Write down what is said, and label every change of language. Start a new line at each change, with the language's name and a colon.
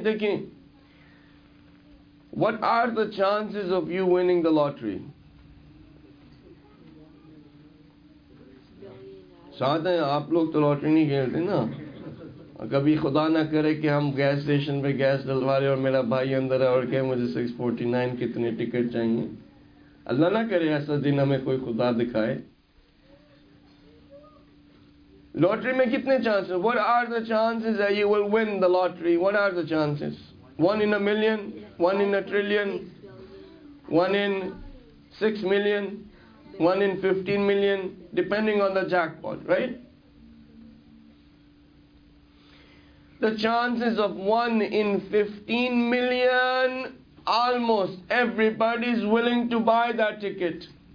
Urdu: دیکھیں،
English: What are the chances of you winning the lottery?
Urdu: ساتھ ہیں آپ لوگ تو لاٹری نہیں کھیلتے نا. کبھی خدا نہ کرے کہ ہم گیس اسٹیشن پہ گیس ڈلوا رہے اور میرا بھائی اندر ہے اور کہے مجھے 649 کتنے ٹکٹ چاہیے. اللہ نہ کرے ایسا دن ہمیں کوئی خدا دکھائے. لاٹری میں کتنے chances?
English: What are the chances that you will win the lottery? What are the chances? One in a million, one in a trillion, one in 6 million، one in 15 million، depending on the jackpot, right? The chances of 1 in 15 million Almost everybody is willing to buy that ticket.